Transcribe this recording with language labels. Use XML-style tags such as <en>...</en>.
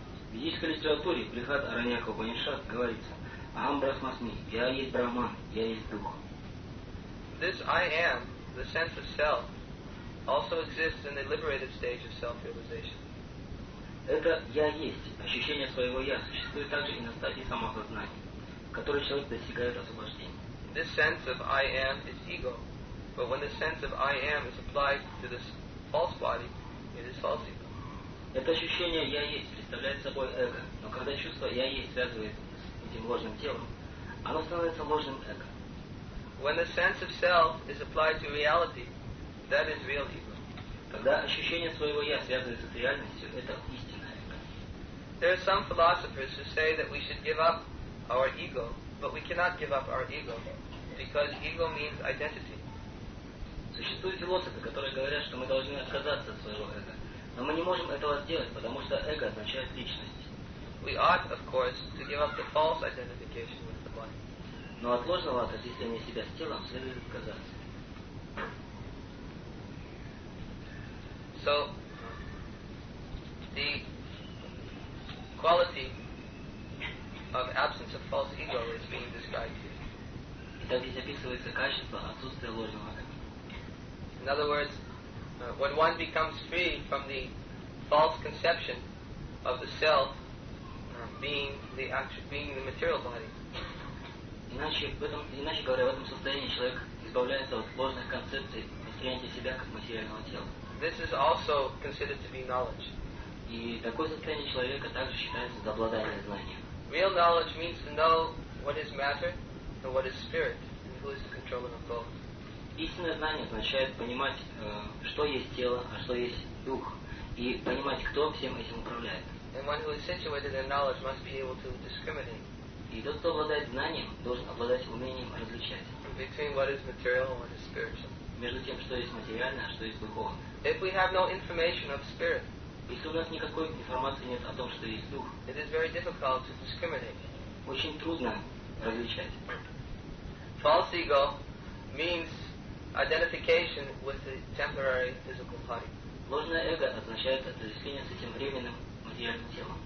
<ru>В ведической литературе Брихат Араньяка Упанишад говорится:</ru> <sa>«Ахам брахмасми,</sa> <ru>я есть Брахман, я есть Дух».</ru> <en>This I am, the sense of self, also exists in the liberated stage of self-realization.</en> <ru>Это «я есть», ощущение своего «я», существует также и на стадии самосознания, в которой человек достигает освобождения.</ru> <en>This sense of I am is ego, but when the sense of I am is applied to this false body, it is false ego.</en> <ru>Это ощущение «я есть» представляет собой эго, но когда чувство «я есть» связывает с этим ложным телом, оно становится ложным эго.</ru> <en>When the sense of self is applied to reality, that is real ego.</en> <ru>Когда ощущение своего «я» связывается с реальностью, это истинное эго.</ru> <en>There are some philosophers who say that we should give up our ego, but we cannot give up our ego, because ego means identity.</en> <ru>Существуют философы, которые говорят, что мы должны отказаться от своего эго. Но мы не можем этого сделать, потому что эго означает личность.</ru> <en>We ought, of course, to give up the false identification with the body.</en> <ru>Но от ложного отождествления себя с телом следует отказаться.</ru> <en>So, the quality of absence of false ego is being described here.</en> <ru>Итак, здесь описывается качество отсутствия ложного эго.</ru> <en>In other words, when one becomes free from the false conception of the self being the actual, being the material body.</en> <ru>Иначе говоря, в этом состоянии человек избавляется от ложных концепций восприятия себя как материального тела.</ru> <en>This is also considered to be knowledge.</en> <ru>И такое состояние человека также считается за обладание знания.</ru> <en>Real knowledge means to know what is matter and what is spirit, and who is the controller of both.</en> <ru>Истинное знание означает понимать, что есть тело, а что есть дух, и понимать, кто всем этим управляет.</ru> <en>And one who is situated in knowledge must be able to discriminate.</en> <ru>И тот, кто обладает знанием, должен обладать умением различать.</ru> <en>Between what is material and what is spiritual.</en> <ru>Между тем, что есть материальное, а что есть духовное.</ru> <en>If we have no information of spirit,</en> <ru>если у нас никакой информации нет о том, что есть дух,</ru> <en>it is very difficult to discriminate.</en> <ru>Очень трудно различать.</ru> <en>False ego means identification with the temporary physical body.</en> <ru>Ложное эго означает отождествление с этим временным материальным телом.</ru>